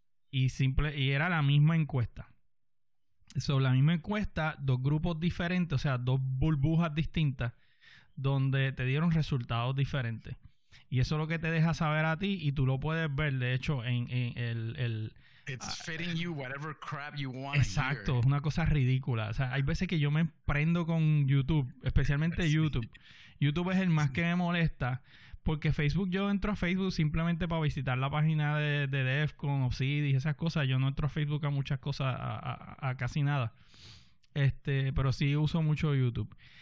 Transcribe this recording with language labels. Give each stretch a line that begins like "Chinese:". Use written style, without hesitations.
Spanish: Y era la misma encuesta. Sobre la misma encuesta, dos grupos diferentes, o sea, dos burbujas distintas, donde te dieron resultados diferentes. Y eso es lo que te deja saber a ti, y tú lo puedes ver, de hecho, en el
English: it's fitting you whatever crap you want.
Spanish: Exacto, es una cosa ridícula. O sea, hay veces que yo me prendo con YouTube, especialmente YouTube. YouTube es el más que me molesta, porque Facebook, yo entro a Facebook simplemente para visitar la página de Defcon, Obsidian, esas cosas. Yo no entro a Facebook a muchas cosas, a casi nada. Pero sí uso mucho YouTube.